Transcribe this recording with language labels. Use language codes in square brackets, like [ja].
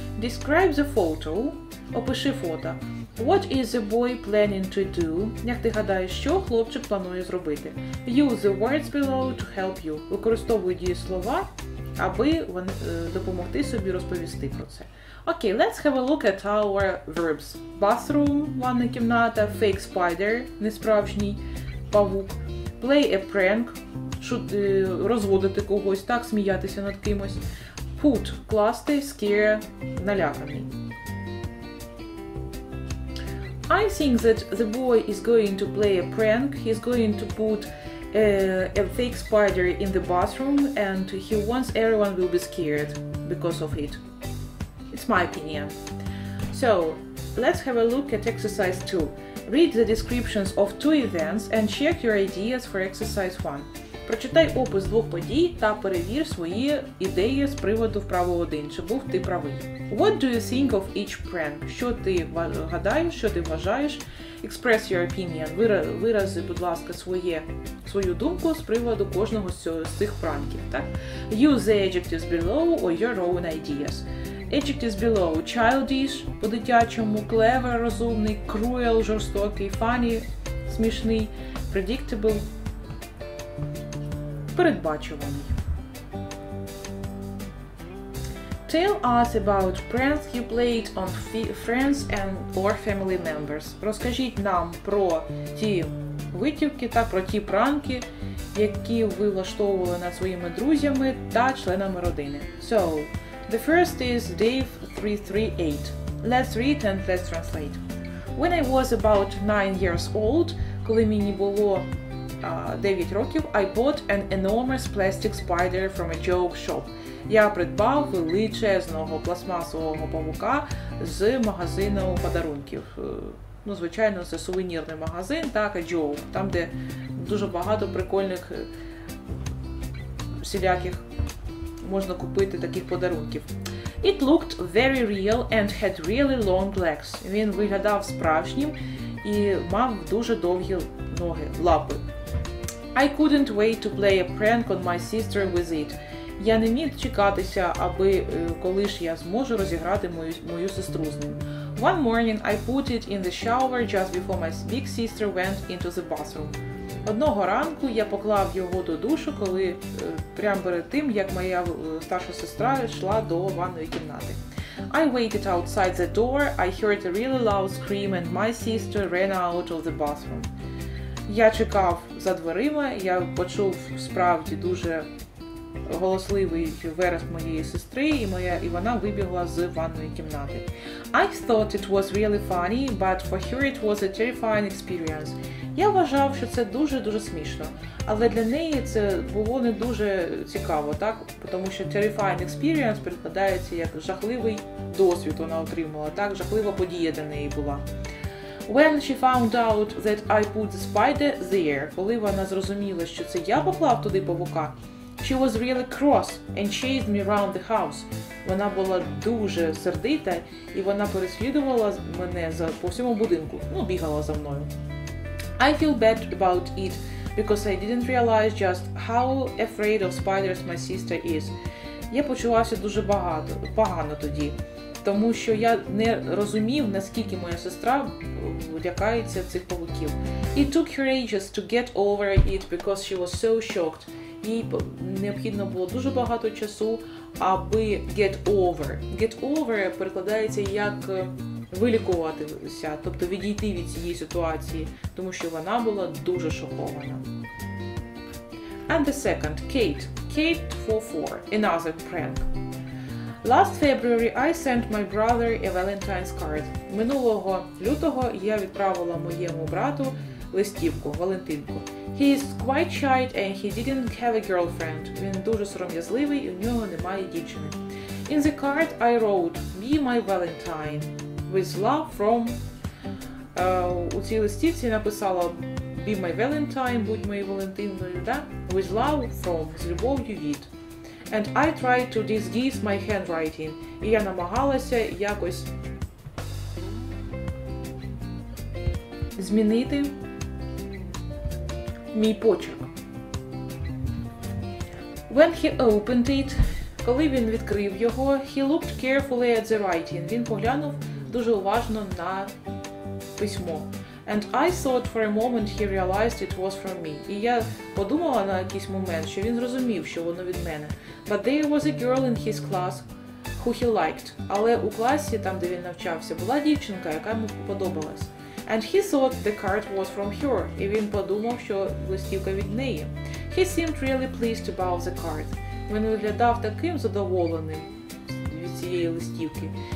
[en] Describe the photo, [uk] опиши фото. [en] What is the boy planning to do? [uk] Як ти гадаєш, що хлопчик планує зробити? [en] Use the words below to help you. [uk] Використовуй дієслова, аби допомогти собі розповісти про це. [en] Okay, let's have a look at our verbs. [uk] Bathroom, ванна кімната, [en] fake spider, [uk] несправжній павук. [en] Play a prank, [uk] розводити когось, так, сміятися над кимось. [en] Put, [uk] класти, [en] scare, [uk] наляканий. [en] I think that the boy is going to play a prank. He's going to put a fake spider in the bathroom and he wants everyone will be scared because of it. It's my opinion. So, let's have a look at exercise 2. Read the descriptions of two events and check your ideas for exercise 1. [uk] Прочитай опис двох подій та перевір свої ідеї з приводу вправо один, чи був ти правий. [en] What do you think of each prank? [uk] Що ти гадаєш, що ти вважаєш? [en] Express your opinion. [uk] Вирази, будь ласка, свою думку з приводу кожного з цих пранків. Так? [en] Use the adjectives below or your own ideas. Adjectives below – childish, [uk] по-дитячому, [en] clever, [uk] розумний, [en] cruel, [uk] жорстокий, [en] funny, [uk] смішний, [en] predictable, [uk] передбачуваний. [en] Tell us about pranks you played on friends and or family members. [uk] Розкажіть нам про ті витівки та про ті пранки, які ви влаштовували над своїми друзями та членами родини. [en] So, the first is Dave 338. Let's read and let's translate. When I was about 9 years old, [uk] коли мені було 9 років, [en] I bought an enormous plastic spider from a joke shop. [uk] Я придбав величезного пластмасового павука з магазину подарунків. Ну, звичайно, це сувенірний магазин, так, a joke, там, де дуже багато прикольних всіляких можна купити таких подарунків. [en] It looked very real and had really long legs. [uk] Він виглядав справжнім і мав дуже довгі ноги, лапи. [en] I couldn't wait to play a prank on my sister with it. [uk] Я не міг чекатися, аби коли ж я зможу розіграти мою сестру з ним. [en] One morning I put it in the shower just before my big sister went into the bathroom. [uk] Одного ранку я поклав його до душу, коли прямо перед тим, як моя старша сестра йшла до ванної кімнати. [en] I waited outside the door, I heard a really loud scream and my sister ran out of the bathroom. [uk] Я чекав за дверима, я почув справді дуже голосливий вереск моєї сестри, і вона вибігла з ванної кімнати. [en] I thought it was really funny, but for her it was a terrifying experience. [uk] Я вважав, що це дуже-дуже смішно, але для неї це було не дуже цікаво, так? Тому що [en] terrifying experience [uk] перекладається як жахливий досвід вона отримала, так? Жахлива подія для неї була. [en] When she found out that I put the spider there, [uk] коли вона зрозуміла, що це я поклав туди павука, [en] she was really cross and chased me around the house. [uk] Вона була дуже сердита і вона переслідувала мене по всьому будинку, ну, бігала за мною. [en] I feel bad about it because I didn't realize just how afraid of spiders my sister is. [uk] Я почувався дуже погано тоді. Тому що я не розумів, наскільки моя сестра лякається цих павуків. [en] It took her ages to get over it because she was so shocked. [uk] Їй необхідно було дуже багато часу, аби get over. Get over перекладається як вилікуватися, тобто відійти від цієї ситуації, тому що вона була дуже шокована. [en] And the second, Kate. Kate 44, another prank. Last February I sent my brother a Valentine's card. [uk] Минулого лютого я відправила моєму брату листівку, Валентинку. [en] He is quite shy and he didn't have a girlfriend. [uk] Він дуже сором'язливий і в нього немає дівчини. [en] In the card I wrote, be my Valentine, with love from... [uk] У цій листівці написала, [en] be my Valentine, [uk] будь моєю Валентиною, да? [en] With love from, [uk] з любов'ю від. [en] And I tried to disguise my handwriting. [uk] І я намагалася якось змінити мій почерк. [en] When he opened it, [uk] коли він відкрив його, [en] he looked carefully at the writing. [uk] Він поглянув дуже уважно на письмо. [en] And I thought for a moment he realized it was from me. [uk] І я подумала на якийсь момент, що він зрозумів, що воно від мене. [en] But there was a girl in his class who he liked. [uk] Але у класі, там де він навчався, була дівчинка, яка йому подобалась. [en] And he thought the card was from her. [uk] І він подумав, що листівка від неї. [en] He seemed really pleased about the card. [uk] Він виглядав таким задоволеним від цієї листівки.